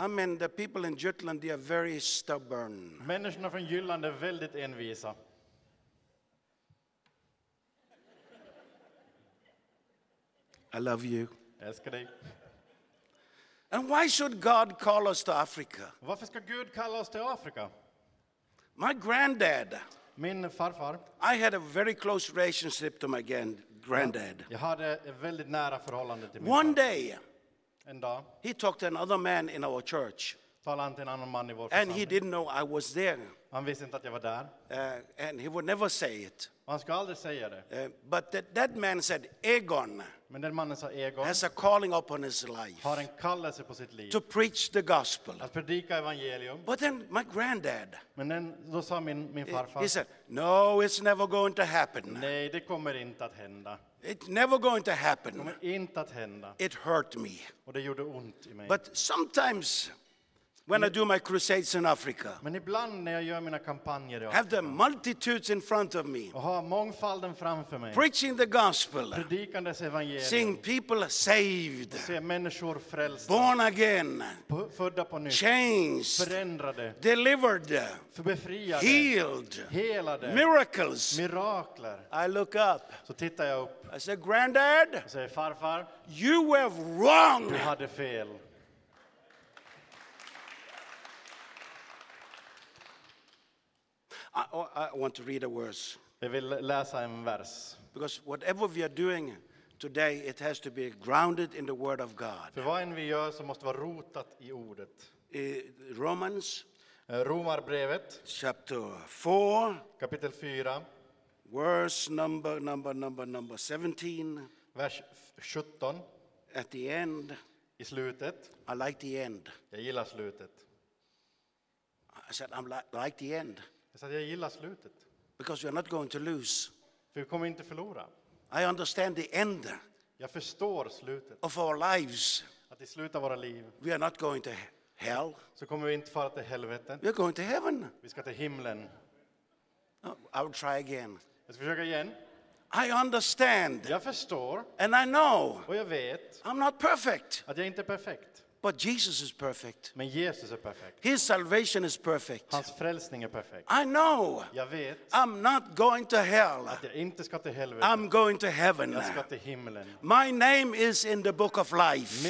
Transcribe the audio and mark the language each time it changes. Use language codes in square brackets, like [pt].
[en] I mean, the people in Jutland, they are very stubborn. [sv] Människorna från Jylland är väldigt envisa. [en] I love you. [sv] Älskar dig. [en] And why should God call us to Africa? [sv] Varför ska Gud kalla oss till Afrika? [en] My granddad. [sv] Min farfar. [en] I had a very close relationship to my granddad. [sv] Jag hade ett väldigt nära förhållande till min [en] One far. Day. [sv] En dag. [en] He talked to another man in our church. [sv] Talade till en annan man i vår församling. [en] And he didn't know I was there. [sv] Han visste inte att jag var där. [en] And he would never say it. [sv] Han skulle aldrig säga det. [en] But that man said, Egon. [sv] Men den mannen sa Egon. [en] Has a calling upon his life. [sv] Har en kallelse på sitt liv. [en] To preach the gospel. [sv] Att predika evangelium. [en] But then my granddad. [sv] Men den då sa min farfar. [en] He said, no, it's never going to happen. [sv] Nej, det kommer inte att hända. [en] It's never going to happen. [sv] Det kommer inte att hända. [en] It hurt me. [sv] Och det gjorde ont i mig. [en] But sometimes when I do my crusades in Africa. [sv] Men ibland när jag gör mina kampanjer i Afrika. [en] Have the multitudes in front of me. [sv] Och har mångfalden framför mig. [en] Preaching the gospel. [sv] Predikandes evangelium. [en] Seeing people saved. [sv] Se människor frälsta. [en] Born again. [sv] Födda på nytt. [en] Changed. [sv] Förändrade. [en] Delivered. [sv] Befriade. [en] Healed. [sv] Helade. [en] Miracles. [sv] Mirakler. [en] I look up. [sv] Så tittar jag upp. [en] I say, granddad. [sv] Jag säger farfar. [en] You were wrong. [sv] Du hade fel. [en] I want to read a verse. [sv] Jag vill läsa en vers. [en] Because whatever we are doing today, it has to be grounded in the word of God. [sv] För vad än vi gör så måste vara rotat i ordet. [en] Romans. [sv] Romarbrevet. [en] Chapter 4. [sv] Kapitel 4. [en] Verse number 17. [sv] Vers 17. [en] At the end. [sv] I slutet. [en] I like the end. [sv] Jag gillar slutet. [en] I said I'm like the end. [sv] Så att jag gillar slutet. [en] Because we are not going to lose. [sv] För vi kommer inte förlora. [en] I understand the end. [sv] Jag förstår slutet. [en] Of our lives. [sv] Att i slutet av våra liv. [en] We are not going to hell. [sv] Så kommer vi inte fara till helvetet. [en] We are going to heaven. [sv] Vi ska till himlen. [en] I will try again. [sv] Jag ska försöka igen. [en] I understand. [sv] Jag förstår. [en] And I know. [sv] Och jag vet. [en] I'm not perfect. [sv] Att jag inte är perfekt. [en] But Jesus is perfect. [sv] Men Jesus är perfekt. [en] His salvation is perfect. [sv] Hans frälsning är perfekt. [en] I know. [sv] Jag vet. [en] I'm not going to hell. [sv] Att jag inte ska till helvete. [en] I'm going to heaven. [sv] Jag ska till himlen. [en] My name is in the book of life.